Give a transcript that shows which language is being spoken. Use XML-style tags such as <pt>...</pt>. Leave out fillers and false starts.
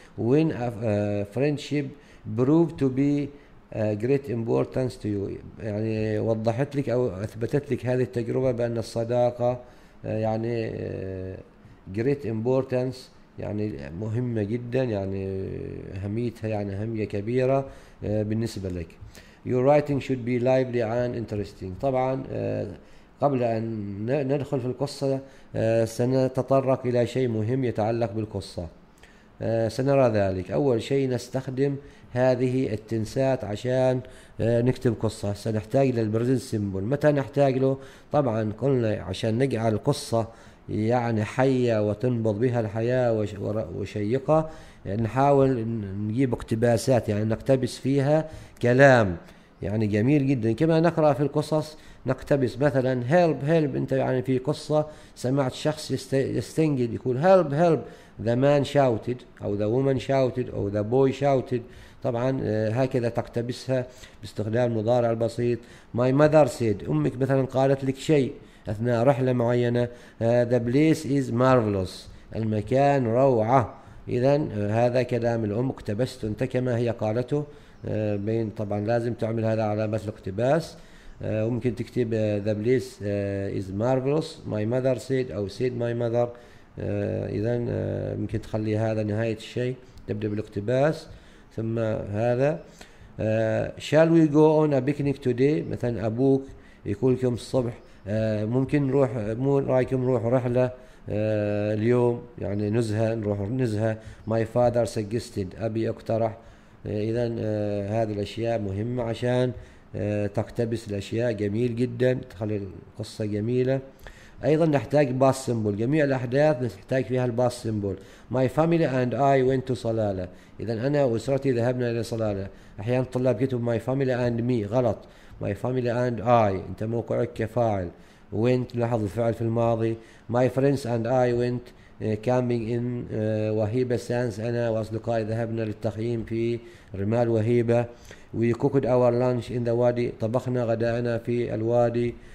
<en>when a friendship proved to be great importance to you،</en> <ar>يعني وضحت لك او اثبتت لك هذه التجربة بان الصداقة يعني</ar> <en>great importance،</en> <ar>يعني مهمة جدا، يعني أهميتها يعني أهمية كبيرة بالنسبة لك.</ar> <en>Your writing should be lively and interesting.</en> <ar>طبعا قبل أن ندخل في القصة سنتطرق إلى شيء مهم يتعلق بالقصة، سنرى ذلك. أول شيء نستخدم هذه التنسات عشان نكتب قصة، سنحتاج إلى البرزنت سيمبل. متى نحتاج له؟ طبعا قلنا عشان نجعل القصة يعني حية وتنبض بها الحياة وشيقة، نحاول نجيب اقتباسات، يعني نقتبس فيها كلام يعني جميل جدا. كما نقرأ في القصص نقتبس، مثلا</ar> <en>help help،</en> <ar>انت يعني في قصة سمعت شخص يستنجد يقول help help،</ar> <en>the man shouted</en> <ar>او</ar> <en>the woman shouted</en> <ar>او</ar> <en>the boy shouted.</en> <ar>طبعا هكذا تقتبسها باستخدام المضارع البسيط.</ar> <en>my mother said،</en> <ar>امك مثلا قالت لك شيء أثناء رحلة معينة.</ar> <en>The place is marvelous،</en> <ar>المكان روعة. إذن هذا كلام الأم، اقتبست أنت كما هي قالته. بين طبعا لازم تعمل هذا علامة الاقتباس، وممكن تكتب</ar> <en>The place is marvelous، my mother said</en> <ar>أو</ar> <en>said my mother.</en> <ar>إذن ممكن تخلي هذا نهاية الشيء، تبدأ بالاقتباس ثم هذا.</ar> <en>Shall we go on a picnic today،</en> <ar>مثلا أبوك يقول لكم الصبح ممكن نروح، مو رايكم نروح رحلة اليوم، يعني نزهة، نروح نزهة.</ar> <en>my father suggested،</en> <ar>أبي اقترح. إذن هذه الأشياء مهمة عشان تقتبس الأشياء، جميل جدا، تخلي القصة جميلة. أيضا نحتاج باس سيمبل، جميع الأحداث نحتاج فيها الباس سيمبل.</ar> <en>my family and I went to Salalah,</en> <ar>إذن أنا وأسرتي ذهبنا إلى صلالة. أحيانا الطلاب كتب</ar> <en>my family and me،</en> <ar>غلط،</ar> <en>my family and I،</en> <ar>انت موقعك كفاعل، went لاحظ الفعل في الماضي.</ar> <en>my friends and I went camping in</en> <ar>وهيبة سانس، انا واصدقائي ذهبنا للتخييم في رمال وهيبة.</ar> <en>we cooked our lunch in the wadi،</en> <ar>طبخنا غداءنا في الوادي.</ar>